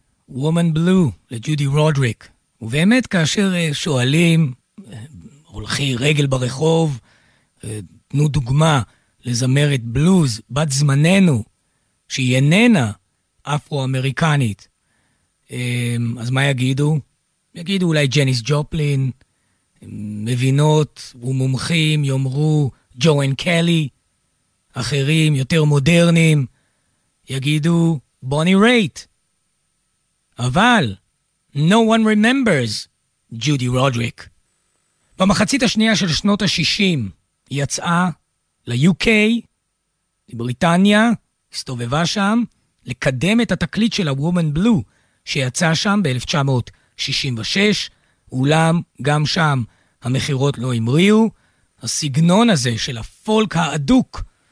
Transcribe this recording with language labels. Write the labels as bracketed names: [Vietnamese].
[Hebrew] Woman Blue, לג'ודי רודריק. ובאמת, כאשר שואלים, הולכי רגל ברחוב, תנו דוגמה לזמרת בלוז, בת זמננו, שהיא איננה אפרו-אמריקנית. אז מה יגידו? יגידו אולי ג'ניס ג'ופלין, מבינות ומומחים יאמרו ג'ואן קלי, אחרים יותר מודרניים, יגידו בוני רייט. אבל, [English] no one remembers Judy Roderick. [Hebrew] במחצית השנייה של שנות ה-60, היא יצאה ל-UK, לבריטניה, הסתובבה שם, לקדם את התקליט של ה-Woman Blue, שיצא שם ב-1966, אולם גם שם המחירות לא המריאו, הסגנון הזה של הפולק האדוק